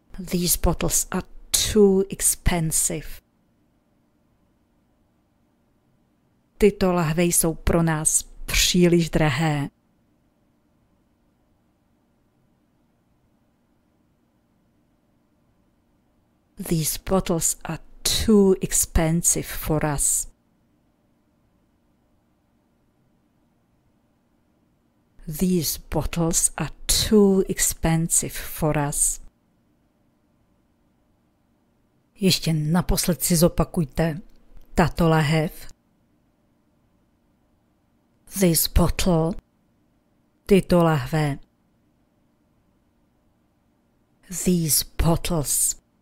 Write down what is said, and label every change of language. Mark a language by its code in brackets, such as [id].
[en] These bottles are too expensive. [cs] Tyto lahve jsou pro nás příliš drahé. [en] These bottles are too expensive for us. These bottles are too expensive for us. [cs] Ještě naposled si zopakujte. Tato lahev. [en] This bottle. [cs] Tyto lahve. [en] These bottles.